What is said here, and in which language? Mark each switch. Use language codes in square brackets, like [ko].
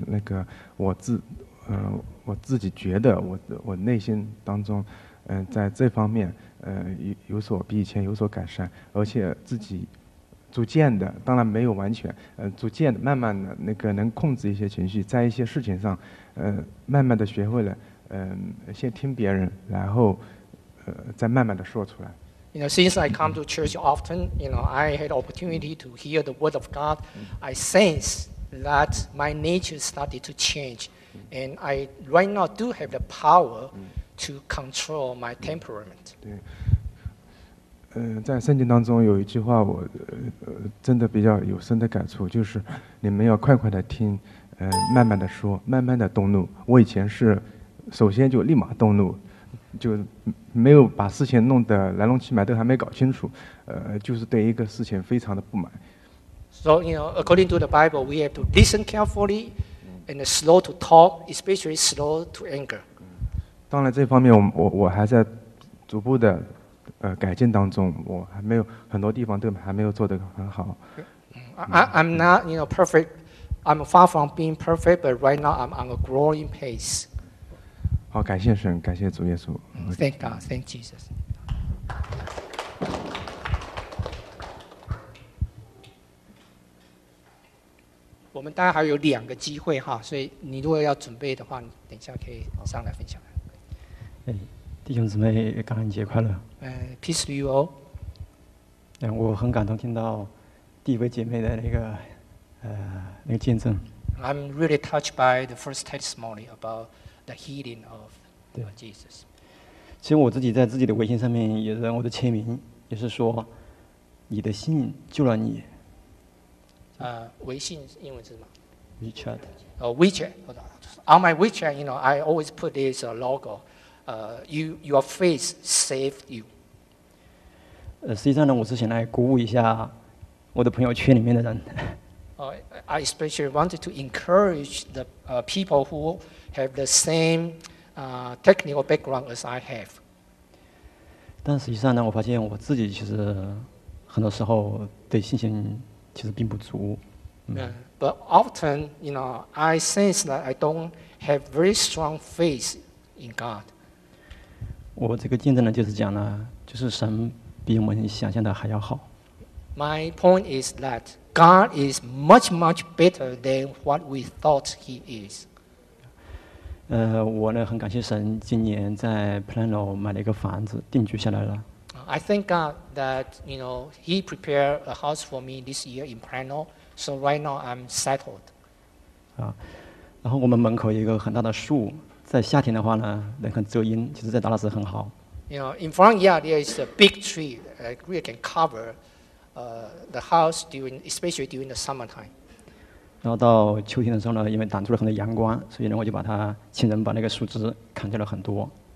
[zh] 那个我自己觉得我内心当中，在这方面，有所比以前有所改善，而且自己逐渐的，当然没有完全，逐渐的慢慢的那个能控制一些情绪，在一些事情上，慢慢的学会了，先听别人，然后，再慢慢的说出来。 [en] You know, since I come to church often, you know, I had opportunity to hear the word of God. I sense that my nature started to change, and I right now do have the power to control my temperament. [zh] 对，在圣经当中有一句话，我真的比较有深的感触，就是你们要快快的听，慢慢的说，慢慢的动怒。我以前是首先就立马动怒。就没有把事情弄得来龙去脉都还没搞清楚，就是对一个事情非常的不满。 [en] So you know, according to the Bible, we have to listen carefully and slow to talk, especially slow to anger. [zh] 当然，这方面我还在逐步的改进当中，我还没有很多地方都还没有做得很好。 [en] I'm not you know perfect. I'm far from being perfect, but right now I'm on a growing pace. [zh] 好，感谢神，感谢主耶稣。 [en] Thank God, thank Jesus. [zh] 我们大概还有两个机会哈，所以你如果要准备的话，你等一下可以上来分享。哎，弟兄姊妹，感恩节快乐。 [en] Peace to you all. [zh] 我很感动听到第一位姐妹的那个见证。 [en] I'm really touched by the first testimony about. The healing of Jesus. [zh] 其实我自己在自己的微信上面也是我的签名，也是说，你的信救了你。微信英文是什么 [en] ？WeChat. WeChat. On my WeChat, you know, I always put this logo. Your faith saved you. [zh] 实际上呢，我是想来鼓舞一下我的朋友圈里面的人。 [en] I especially wanted to encourage the people who. Have the same technical background as I have. [zh] 但实际上呢，我发现我自己其实很多时候对信心其实并不足。 [en] But often, you know, I sense that I don't have very strong faith in God. [zh] 我这个见证呢，就是讲呢，就是神比我们想象的还要好。 [en] My point is that God is much, much better than what we thought He is. [zh] 我呢很感谢神，今年在 Plano 买了一个房子，定居下来了。 [en] I thank God that you know He prepared a house for me this year in Plano, so right now I'm settled. [zh] 然后我们门口有一个很大的树，在夏天的话呢，能很遮阴，其实在达拉斯很好。 [en] You know, in front yard there is a big tree that really can cover, the house during, especially during the summertime. [zh] 然后到秋天的时候呢，因为挡住了很多阳光，所以呢，我就把它请人把那个树枝砍掉了很多。